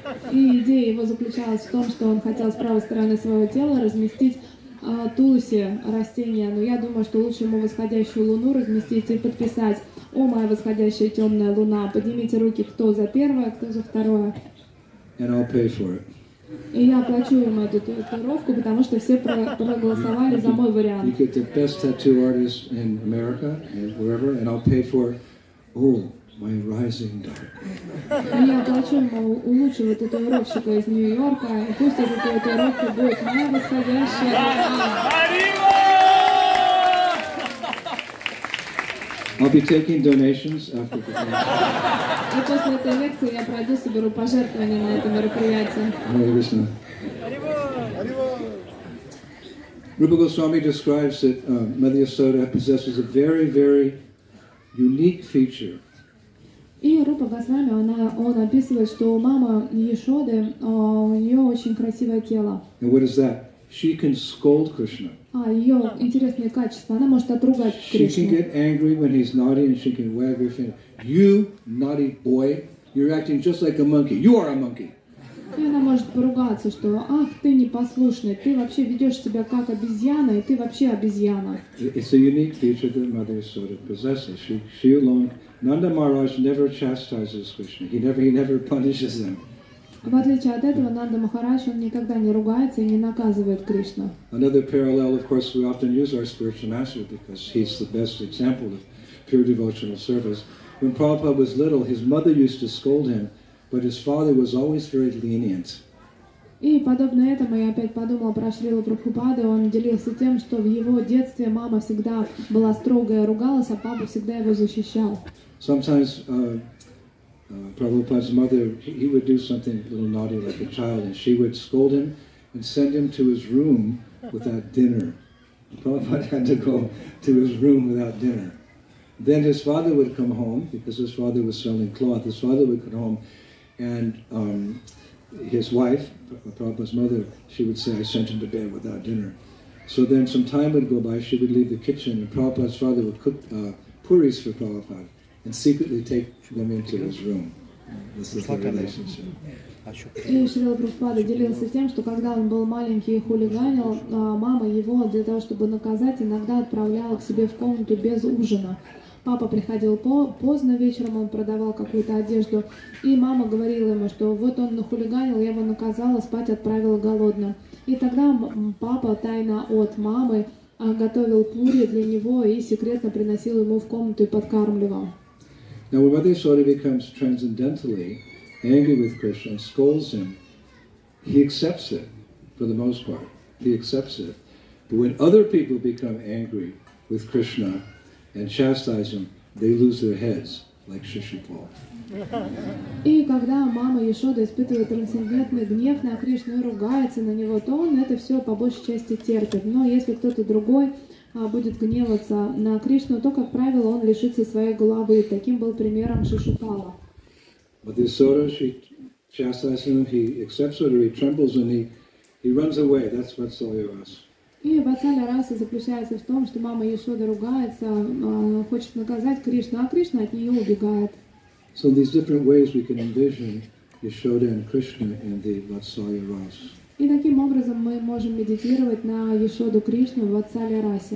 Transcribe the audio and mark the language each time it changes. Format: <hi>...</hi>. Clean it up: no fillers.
<ru>И идея его заключалась в том, что он хотел с правой стороны своего тела разместить туласи растения. Но я думаю, что лучше ему восходящую луну разместить и подписать. О, моя восходящая темная луна, поднимите руки, кто за первое, кто за второе.</ru> <en>And I'll pay for it.</en> <ru>И я оплачу ему эту татуировку, потому что все проголосовали за мой вариант.</ru> <en>You get the best tattoo artist in America and wherever, and I'll pay for, oh, my rising dark.</en> <ru>И я оплачу ему у лучшего татуировщика из Нью-Йорка, и пусть эта татуировка будет моя восходящая.</ru> <en>I'll be taking donations after the conference.</en> <ru>И после этой лекции я пройду, соберу пожертвования на это мероприятие.</ru> <en>Hare Krishna. Rupa Goswami describes that Mother Yasoda possesses a very, very unique feature.</en> <ru>И Рупа Госвами, он описывает, что у мамы Яшоды, у нее очень красивое тело.</ru> <en>And what is that? She can scold Krishna.</en> <ru>А её интересные качества, она может отругать Кришну.</ru> <en>She can get angry when he's naughty and she can wag her finger. You naughty boy, you're acting just like a monkey. You are a monkey.</en> <ru>И она может поругаться, что ах, ты непослушный, ты вообще ведешь себя как обезьяна, и ты вообще обезьяна.</ru> <en>It's a unique feature that Mother Yasoda possesses. She alone, Nanda Maharaj never chastises Krishna. He never punishes them.</en> <ru>В отличие от этого, Нанда Махарадж, он никогда не ругается и не наказывает Кришну.</ru> <en>Another parallel, of course, we often use our spiritual master because he's the best example of pure devotional service. When Prabhupada was little, his mother used to scold him, but his father was always very lenient.</en> <ru>И подобно этому я опять подумала про Шрилу Прабхупаду. Он делился тем, что в его детстве мама всегда была строгая, ругалась, а папа всегда его защищал.</ru> <en>Sometimes Prabhupada's mother, he would do something a little naughty like a child, and she would scold him and send him to his room without dinner. Prabhupada had to go to his room without dinner. Then his father would come home, because his father was selling cloth, his father would come home, and his wife, Prabhupada's mother, she would say, I sent him to bed without dinner. So then some time would go by, she would leave the kitchen, and Prabhupada's father would cook puris for Prabhupada. And secretly take them into his room. This is the relationship.</en> <ru>И Шрила Прабхупада делился тем, что когда он был маленький и хулиганил, мама его для того, чтобы наказать, иногда отправляла к себе в комнату без ужина. Папа приходил поздно вечером, он продавал какую-то одежду, и мама говорила ему, что вот он нахулиганил, я его наказала, спать отправила голодным. И тогда папа тайно от мамы готовил пури для него и секретно приносил ему в комнату и подкармливал.</ru> <en>Now, when Mother Yasoda becomes transcendentally angry with Krishna and scolds him, he accepts it for the most part. He accepts it. But when other people become angry with Krishna and chastise him, they lose their heads, like Shishupal.</en> <ru>И когда мама Яшода испытывает трансцендентный гнев на Кришну и ругается на него, то он это все по большей части терпит. Но если кто-то другой будет гневаться на Кришну, то, как правило, он лишится своей головы. Таким был примером Шишупала.</ru> <en>But Yasoda, she chastises him, he accepts it, or he trembles, and he runs away. That's Vatsalya Rasa.</en> <ru>И Vatsalya Rasa заключается в том, что мама Яшода ругается, хочет наказать Кришну, а Кришна от нее убегает.</ru> <en>So these different ways we can envision Yasoda and Krishna in the Vatsalya Rasa.</en> <ru>И таким образом мы можем медитировать на Яшоду Кришну в Ватсалья Расе.</ru>